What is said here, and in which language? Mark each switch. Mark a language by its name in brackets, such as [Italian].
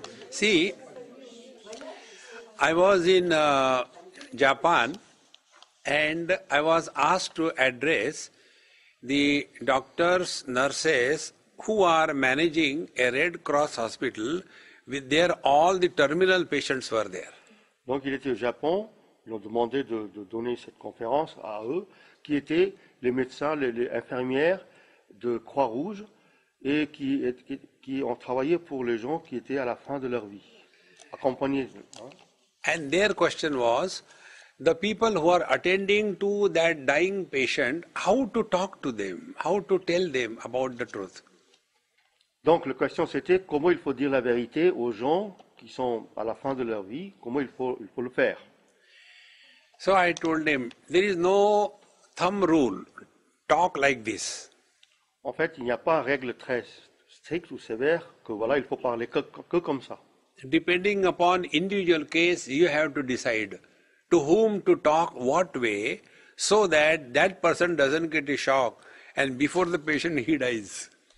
[English] See, I was in Japan and I was asked to address the doctors, nurses who are managing a Red Cross hospital with there all the terminal patients were there. [French] Donc il était au Japon, ils ont demandé de donner cette conférence à eux, qui étaient les médecins, les infirmières de Croix-Rouge, et qui ont travaillé pour les gens qui étaient à la fin de leur vie, accompagnés. [English] And their question was, the people who are attending to that dying patient, how to talk to them, how to tell them about the truth? [French] Donc la question c'était, comment il faut dire la vérité aux gens qui sont à la fin de leur vie, comment il faut le faire? [English] So I told him, there is no thumb rule, talk like this. [French] En fait, il n'y a pas de règle très stricte ou sévère que voilà, il faut parler que comme ça. [English] Depending upon individual case, you have to decide to whom to talk, what way, so that person doesn't get a shock and before the patient he dies.